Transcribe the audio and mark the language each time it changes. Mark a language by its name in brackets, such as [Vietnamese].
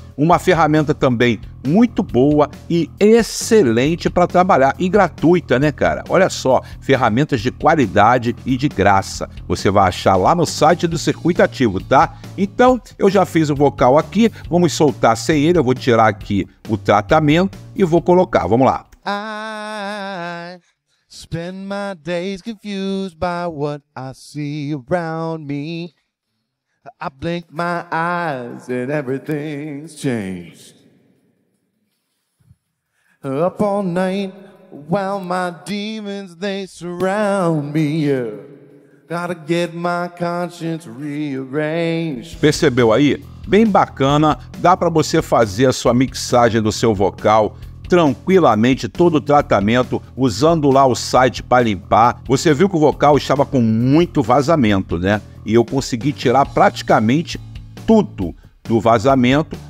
[Portuguese] Uma ferramenta também muito boa e excelente para trabalhar. E gratuita, né, cara? Olha só, ferramentas de qualidade e de graça. Você vai achar lá no site do Circuito Ativo, tá? Então, eu já fiz o vocal aqui. Vamos soltar sem ele. Eu vou tirar aqui o tratamento e vou colocar. Vamos lá. [English] I spend my days confused by what I see around me. I blink my eyes and everything's changed. Up all night while my demons they surround me. Gotta get my conscience rearranged. [Portuguese] Percebeu aí? Bem bacana, dá pra você fazer a sua mixagem do seu vocal tranquilamente, todo o tratamento, usando lá o site para limpar. Você viu que o vocal estava com muito vazamento, né? E eu consegui tirar praticamente tudo do vazamento.